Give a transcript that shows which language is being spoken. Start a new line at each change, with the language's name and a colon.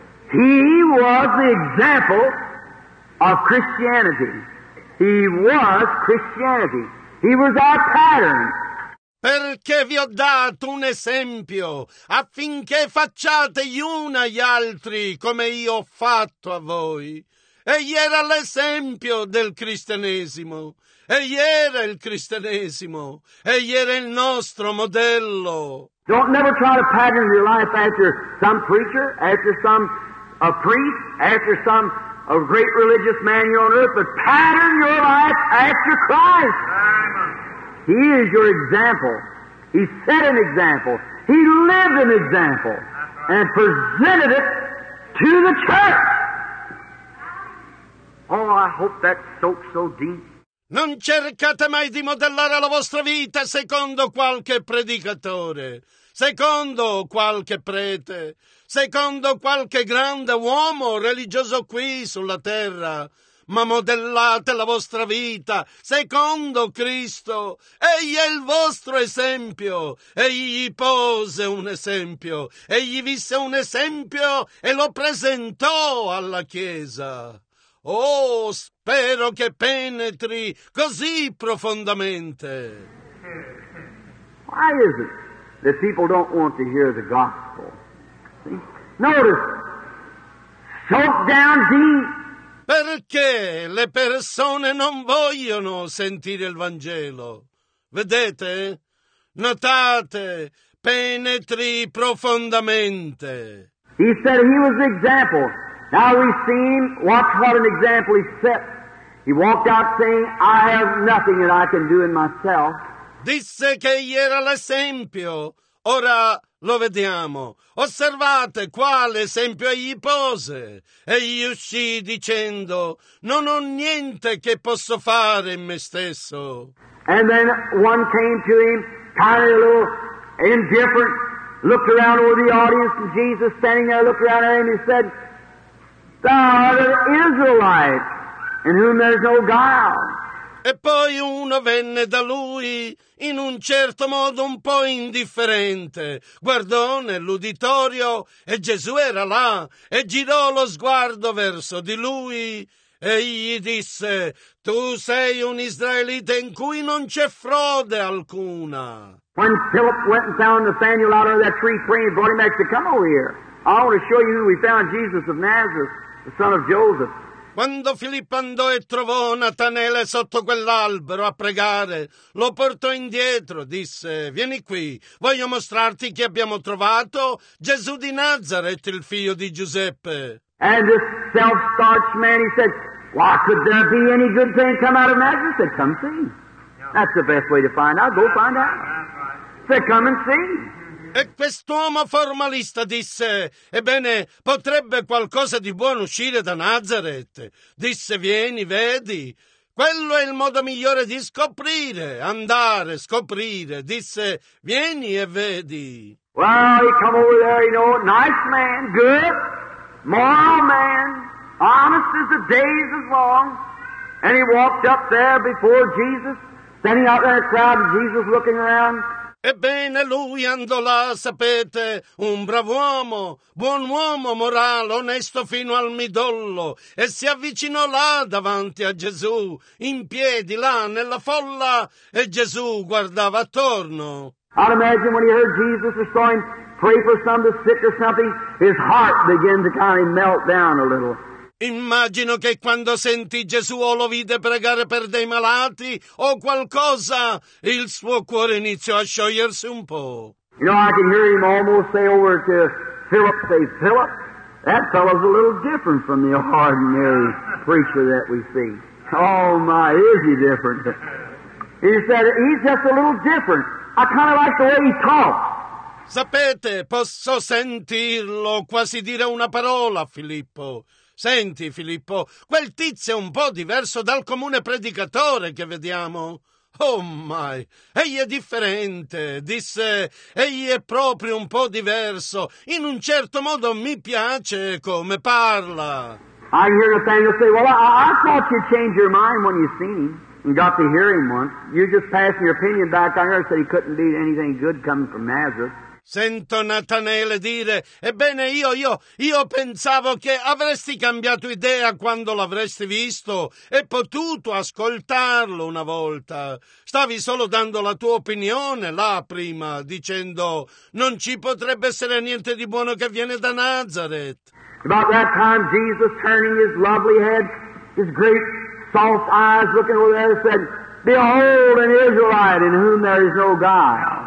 English: He was the example of Christianity. He was Christianity. He was our pattern.
Italian: Perché vi ho dato un esempio affinché facciate gli uni agli altri come io ho fatto a voi. Egli era l'esempio del cristianesimo. Egli era il cristianesimo. Egli era il nostro modello.
English: Don't never try to pattern your life after some preacher, after some a priest, after some a great religious man here on earth, but pattern your life after Christ. He is your example. He set an example. He lived an example and presented it to the church. Oh, I hope that soaks so deep.
Italian: Non cercate mai di modellare la vostra vita secondo qualche predicatore, secondo qualche prete, secondo qualche grande uomo religioso qui sulla terra. Ma modellate la vostra vita secondo Cristo. Egli è il vostro esempio. Egli pose un esempio. Egli visse un esempio e lo presentò alla Chiesa. Oh, spero che penetri così profondamente.
English: Why is it that people don't want to hear the gospel? See? Notice, soak down deep.
Italian: Perché le persone non vogliono sentire il Vangelo? Vedete? Notate, penetri profondamente.
English: He said he was the example. Now we see him, watch what an example he set. He walked out saying, I have nothing that I can do in myself.
Italian: Disse che egli era l'esempio. Ora lo vediamo. Osservate quale esempio egli pose. Egli uscì dicendo, non ho niente che posso fare in me stesso.
English: And then one came to him, kind of a little indifferent, looked around over the audience, and Jesus standing there looked around at him and he said, thou art an Israelite, in whom there's no guile.
Italian: E poi uno venne da lui in un certo modo un po' indifferente. Guardò nell'uditorio e Gesù era là e girò lo sguardo verso di lui e gli disse: tu sei un israelita in cui non c'è frode alcuna.
English: When Philip went and found Nathanael out under that tree praying, brought him back to come over here. I want to show you who we found Jesus of Nazareth, the son of Joseph.
Italian: Quando Filippo andò e trovò Natanele sotto quell'albero a pregare, lo portò indietro, disse: vieni qui, voglio mostrarti chi abbiamo trovato, Gesù di Nazareth, il figlio di Giuseppe.
English: And this self-starched man, he said, why could there be any good thing come out of Nazareth? He said, come see. That's the best way to find out, go find out. He said, come and see.
Italian: E quest'uomo formalista disse: ebbene, potrebbe qualcosa di buono uscire da Nazareth? Disse: vieni, vedi. Quello è il modo migliore di scoprire, andare, scoprire. Disse: vieni e vedi.
English: Well, he come over there, you know, nice man, good, moral man, honest as the days is long. And he walked up there before Jesus, standing out there in the crowd, and Jesus looking around.
Italian: Ebbene, lui andò là, sapete, un bravo uomo, buon uomo, morale, onesto fino al midollo, e si avvicinò là davanti a Gesù, in piedi, là, nella folla, e Gesù guardava attorno.
English: I'd imagine when he heard Jesus was going pray for some to sick or something, his heart began to kind of melt down a little.
Italian: Immagino che quando sentì Gesù o lo vide pregare per dei malati o qualcosa, il suo cuore iniziò a sciogliersi un po'.
English: You know, I can hear him almost say over to Philip, say, Philip, that fellow's a little different from the ordinary preacher that we see. Oh my, is he different? He said, he's just a little different. I kind of like the way he talks.
Italian: Sapete, posso sentirlo quasi dire una parola a Filippo. Senti, Filippo, quel tizio è un po' diverso dal comune predicatore che vediamo. Oh, my, egli è differente, disse, egli è proprio un po' diverso. In un certo modo mi piace come parla.
English: I hear Nathaniel say, well, I thought you'd change your mind when you seen him and got to hear him once. You just passed your opinion back. I heard that he couldn't be anything good coming from Nazareth.
Italian: Sento Natanele dire, ebbene io pensavo che avresti cambiato idea quando l'avresti visto e potuto ascoltarlo una volta. Stavi solo dando la tua opinione là prima, dicendo, non ci potrebbe essere niente di buono che viene da Nazareth.
English: About that time Jesus turning his lovely head, his great soft eyes looking over there, said, behold an Israelite in whom there is no God.